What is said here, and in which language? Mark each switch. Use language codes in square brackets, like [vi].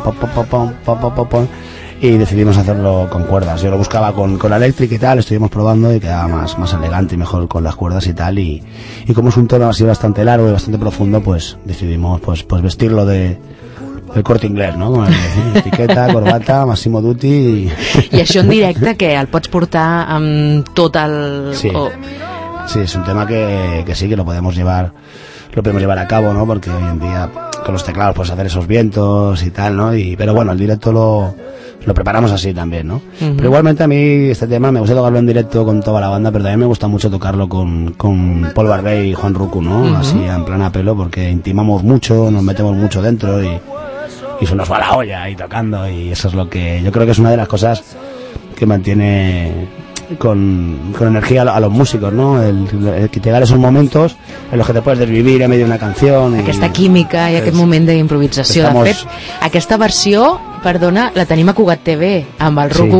[es] Pom, pom, pom, pom, pom, pom, pom, pom, y decidimos hacerlo con cuerdas. Yo lo buscaba con electric y tal, estuvimos probando y quedaba más elegante y mejor con las cuerdas y tal, y como es un tono así bastante largo y bastante profundo, pues decidimos pues vestirlo de... El Corte Inglés, ¿no? Etiqueta, corbata, Massimo Dutti... [ca] I això en directe, que el pots portar amb tot el... Sí, oh. [es] Sí, [ca] és un tema [es] que sí, que lo podemos llevar a cabo, ¿no? Porque hoy en día con los teclados puedes hacer esos vientos y tal, ¿no? Pero bueno, el directo lo preparamos así también, ¿no? Uh-huh. Pero igualmente a mí este tema me gusta tocarlo en directo con toda la banda, pero también me gusta mucho tocarlo con Paul Barbey y Juan Ruku, ¿no? Uh-huh. Así en plan a pelo, porque intimamos mucho, nos metemos mucho dentro y se nos va la olla ahí tocando, y eso es lo que yo creo que es una de las cosas que mantiene con energía a los músicos, ¿no? El que te da esos momentos en los que te puedes desvivir a medio de una canción. [ca] Aquesta química i aquest moment d'improvisació. De fet, aquesta versió, perdona, la tenim a Cugat TV, amb el Ruku,